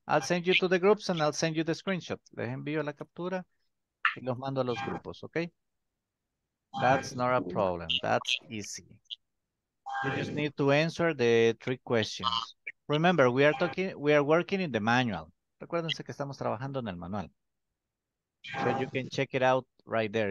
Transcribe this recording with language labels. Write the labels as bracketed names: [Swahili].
[English] I'll send you to the groups and I'll send you the screenshot. [Spanish] Les envío la captura y los mando a los grupos, okay? [English] That's not a problem. That's easy. You just need to answer the three questions. Remember, we are working in the manual. [Spanish] Recuérdense que estamos trabajando en el manual. [English] So you can check it out right there.